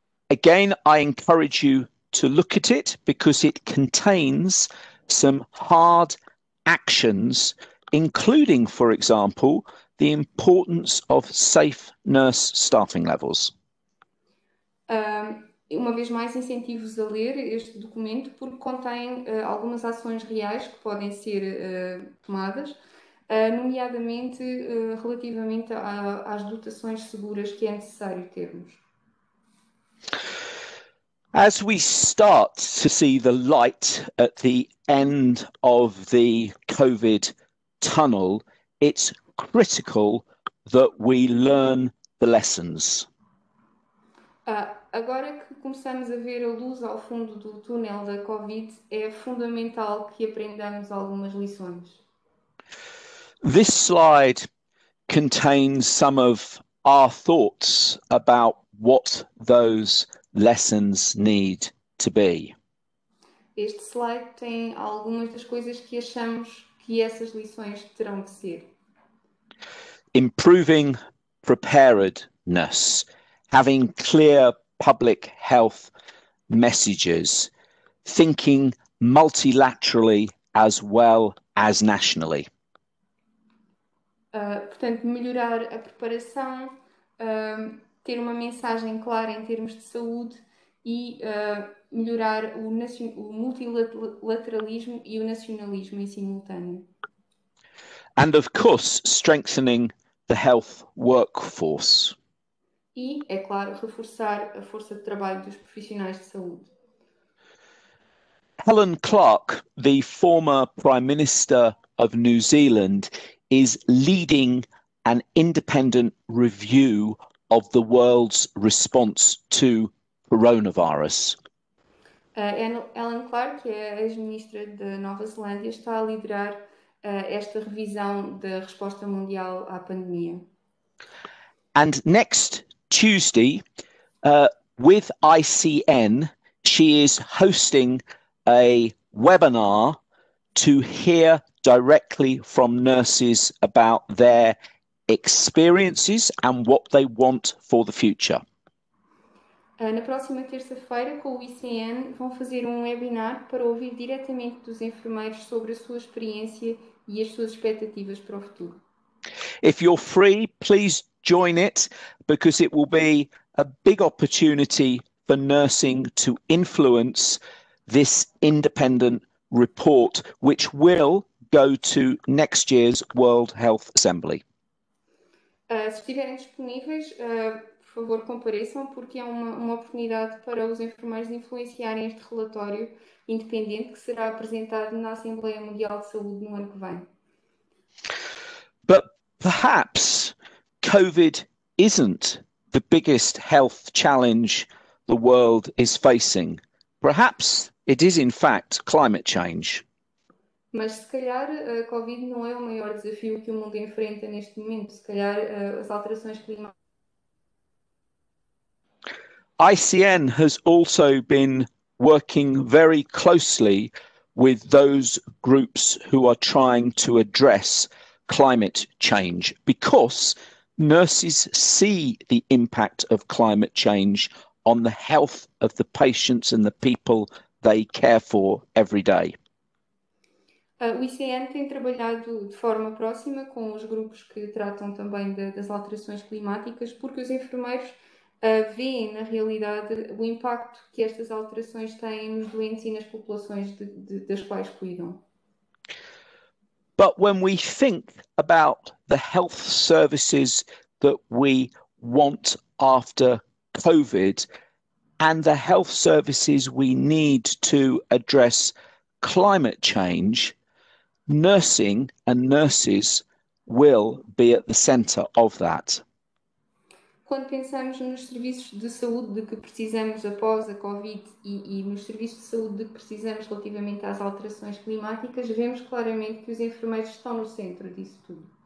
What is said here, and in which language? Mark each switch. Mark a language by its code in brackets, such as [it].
[en] Again, I encourage you to look at it because it contains some hard actions, including, for example, the importance of safe nurse staffing levels. [pt] Uma vez mais, incentivo-vos a ler este documento porque contém algumas ações reais que podem ser tomadas, nomeadamente relativamente às dotações seguras que é necessário termos. [en] As we start to see the light at the end of the COVID tunnel, it's critical that we learn the lessons. [pt] Agora que começamos a ver a luz ao fundo do túnel da Covid, é fundamental que aprendamos algumas lições. [en] This slide contains some of our thoughts about what those lessons need to be. [pt] Este slide tem algumas das coisas que achamos que essas lições terão de ser. [en] Improving preparedness, having clear public health messages, thinking multilaterally as well as nationally. [pt] Portanto, melhorar a preparação, ter uma mensagem clara em termos de saúde e melhorar o multilateralismo e o nacionalismo em simultâneo. [en] And of course, strengthening the health workforce. [pt] E, é claro, reforçar a força de trabalho dos profissionais de saúde. [en] Helen Clark, the former Prime Minister of New Zealand, is leading an independent review of the world's response to coronavirus. [pt] Ellen Clark, que é a ex-ministra da Nova Zelândia, está a liderar esta revisão da resposta mundial à pandemia. [en] And next Tuesday, with ICN, she is hosting a webinar to hear directly from nurses about their experiences and what they want for the future. [pt] Na próxima terça-feira, com o ICN, vão fazer um webinar para ouvir diretamente dos enfermeiros sobre a sua experiência e as suas expectativas para o futuro. [en] If you're free, please join it because it will be a big opportunity for nursing to influence this independent report, which will go to next year's World Health Assembly. [pt] Se estiverem disponíveis, por favor, compareçam, porque é uma oportunidade para os enfermeiros influenciarem este relatório independente que será apresentado na Assembleia Mundial de Saúde no ano que vem. [en] Perhaps COVID isn't the biggest health challenge the world is facing Perhaps it is in fact climate change. [pt] Mas se calhar a Covid não é o maior desafio que o mundo enfrenta neste momento, se calhar as alterações climáticas. [en] ICN has also been working very closely with those groups who are trying to address climate change because nurses see the impact of climate change on the health of the patients and the people they care for every day. [pt] O ICN tem trabalhado de forma próxima com os grupos que tratam também das alterações climáticas, porque os enfermeiros veem, na realidade, o impacto que estas alterações têm nos doentes e nas populações das quais cuidam. [en] But when we think about the health services that we want after COVID and the health services we need to address climate change, nursing and nurses will be at the center of that. [pt] Quando pensamos nos serviços de saúde de que precisamos após a Covid e nos serviços de saúde de que precisamos relativamente às alterações climáticas, vemos claramente que os enfermeiros estão no centro disso tudo.